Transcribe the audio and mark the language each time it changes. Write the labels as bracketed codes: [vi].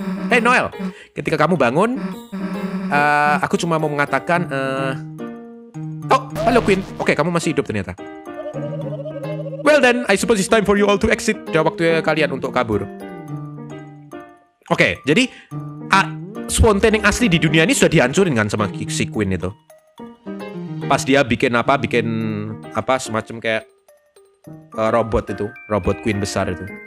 [id] Hey Noel, ketika kamu bangun, aku cuma mau mengatakan, halo Queen. Oke, kamu masih hidup ternyata. [en] Well then, I suppose it's time for you all to exit. [id] Sudah waktunya kalian untuk kabur. Oke, jadi spontan yang asli di dunia ini sudah dihancurin kan sama si Queen itu. pas dia bikin apa, bikin apa semacam kayak robot itu, robot queen besar itu.